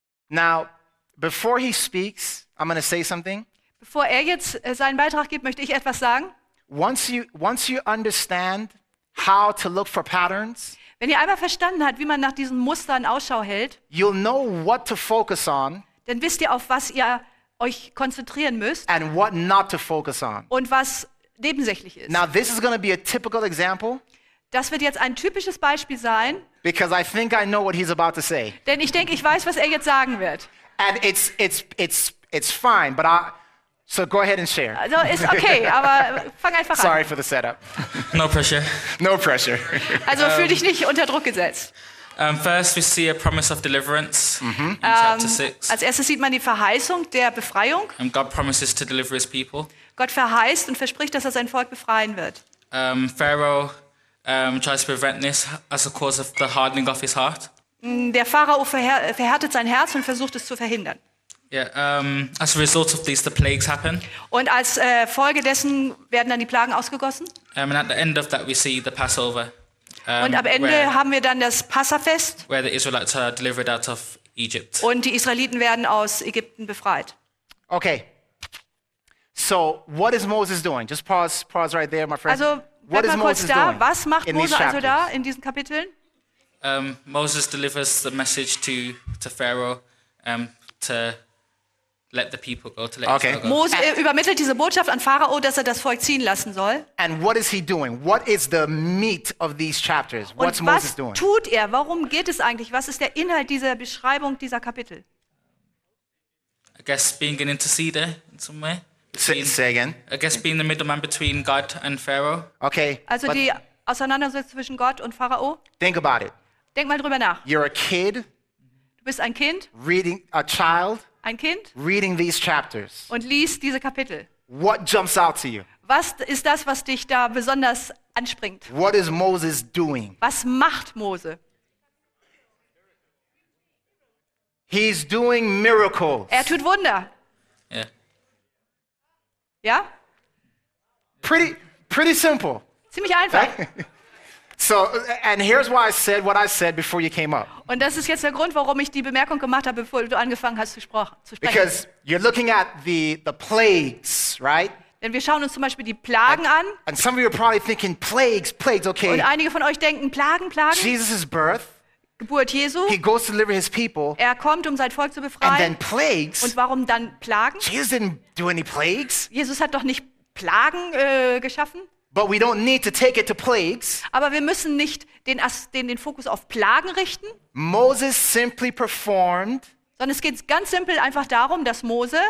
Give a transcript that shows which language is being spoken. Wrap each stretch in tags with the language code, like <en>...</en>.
<en>Now, before he speaks, I'm going to say something.</en> <de>Bevor er jetzt seinen Beitrag gibt, möchte ich etwas sagen.</de> <en>Once you understand how to look for patterns,</en> <de>wenn ihr einmal verstanden habt, wie man nach diesen Mustern Ausschau hält,</de> <en>you'll know what to focus on.</en> <de>Dann wisst ihr, auf was ihr euch konzentrieren müsst.</de> <en>And what not to focus on.</en> <de>Und was nebensächlich ist.</de> <en>Now, this is going to be a typical example.</en> <de>Das wird jetzt ein typisches Beispiel sein.</de> <en>Because I think I know what he's about to say.</en> <de>Denn ich denke, ich weiß, was er jetzt sagen wird.</de> <en>And it's fine, but I so go ahead and share.</en> <de>So ist okay, aber fang einfach an.</de> <en>Sorry for the setup. No pressure. No pressure.</en> <de>Also fühl dich nicht unter Druck gesetzt.</de> <en>First we see a promise of deliverance in chapter 6.</en> <de>Als erstes sieht man die Verheißung der Befreiung.</de> <en>And God promises to deliver his people.</en> <de>Gott verheißt und verspricht, dass er sein Volk befreien wird.</de> <en>Pharaoh tries to prevent this as a cause of the hardening of his heart.</en> <de>Der Pharao verhärtet sein Herz und versucht es zu verhindern.</de> <en>Yeah, as a result of these, the plagues happen.</en> <de>Und als Folge dessen werden dann die Plagen ausgegossen.</de> <en>And at the end of that, we see the Passover.</en> <de>Und am Ende where, haben wir dann das Passafest.</de> <en>Where the Israelites are delivered out of Egypt.</en> <de>Und die Israeliten werden aus Ägypten befreit.</de> <en>Okay. So, what is Moses doing? Just pause right there, my friend.</en> <de>Also,</de> <en>what is Moses</en> <de>da? Doing? Was macht Mose also da in diesen Kapiteln?</de> <en>Moses delivers the message to Pharaoh to let the people go. To let okay. Go.</en> <de>Mose übermittelt diese Botschaft an Pharao, dass er das Volk ziehen lassen soll.</de> <en>And what is he doing? What is the meat of these chapters? What's</en> <de>Und</de> <en>was Moses doing?</en> <de>Was tut er? Warum geht es eigentlich? Was ist der Inhalt dieser Beschreibung dieser Kapitel?</de> <en>I guess being an interceder in some way. Say again. I guess being the middleman between God and Pharaoh. Okay.</en> <de>Also die Auseinandersetzung zwischen Gott und Pharao.</de> <en>Think about it.</en> <de>Denk mal drüber nach.</de> <en>You're a kid.</en> <de>Du bist ein Kind.</de> <en>Reading a child.</en> <de>Ein Kind.</de> <en>Reading these chapters.</en> <de>Und liest diese Kapitel.</de> <en>What jumps out to you?</en> <de>Was ist das, was dich da besonders anspringt?</de> <en>What is Moses doing?</en> <de>Was macht Mose?</de> <en>He's doing miracles.</en> <de>Er tut Wunder. Ja?</de> <en>Pretty simple.</en> <de>Ziemlich einfach.</de> <en>So, and here's why I said what I said before you came up.</en> <de>Und das ist jetzt der Grund, warum ich die Bemerkung gemacht habe, bevor du angefangen hast zu sprechen.</de> <en>Because you're looking at the plagues, right?</en> <de>Denn wir schauen uns zum Beispiel die Plagen an.</de> <en>And some of you are probably thinking plagues, okay.</en> <de>Und einige von euch denken Plagen.</de> <en>Jesus' birth.</en> <de>Geburt Jesu.</de> <en>He goes to deliver his people.</en> <de>Er kommt, um sein Volk zu befreien.</de> <en>And then plagues.</en> <de>Und warum dann Plagen?</de> <en>Jesus didn't do any plagues.</en> <de>Jesus hat doch nicht Plagen geschaffen.</de> <en>But we don't need to take it to plagues.</en> <de>Aber wir müssen nicht den Fokus auf Plagen richten.</de> <en>Moses simply performed.</en> <de>Sondern es geht ganz simpel einfach darum, dass Mose</de>